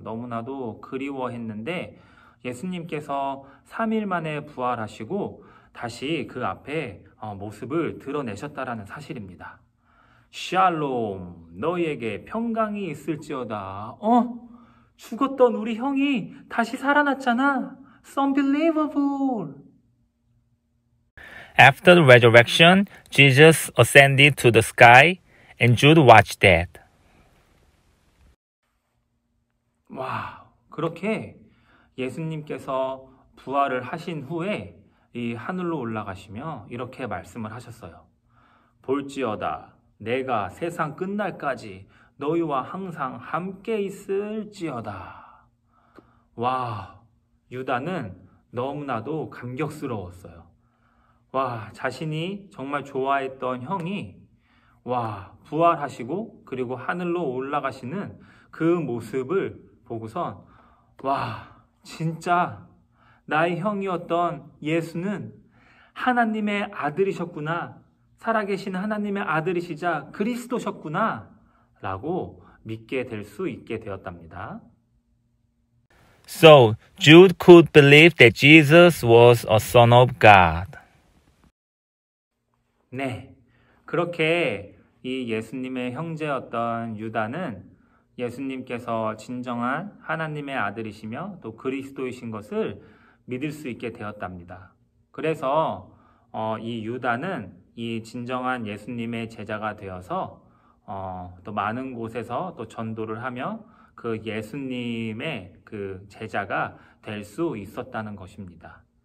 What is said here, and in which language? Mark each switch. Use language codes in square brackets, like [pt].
[ko] 너무나도 그리워했는데 예수님께서 3일 만에 부활하시고 다시 그 앞에 모습을 드러내셨다라는 사실입니다. 샬롬, 너희에게 평강이 있을지어다. 어? 죽었던 우리 형이 다시 살아났잖아. [en] It's unbelievable. After the resurrection, Jesus ascended to the sky and Jude watched that. [ko] 와, 그렇게 예수님께서 부활을 하신 후에 이 하늘로 올라가시며 이렇게 말씀을 하셨어요. 볼지어다, 내가 세상 끝날까지 너희와 항상 함께 있을지어다. 와, 유다는 너무나도 감격스러웠어요. 와, 자신이 정말 좋아했던 형이 와, 부활하시고 그리고 하늘로 올라가시는 그 모습을 보고선 와, 진짜 나의 형이었던 예수는 하나님의 아들이셨구나. 살아계신 하나님의 아들이시자 그리스도셨구나 라고 믿게 될 수 있게 되었답니다. [en] So Jude could believe that Jesus was a son of God. [ko] 네, 그렇게 이 예수님의 형제였던 유다는 예수님께서 진정한 하나님의 아들이시며 또 그리스도이신 것을 믿을 수 있게 되었답니다. 그래서 이 유다는 이 진정한 예수님의 제자가 되어서 또 많은 곳에서 또 전도를 하며 그 예수님의 그 제자가 될 수 있었다는 것입니다.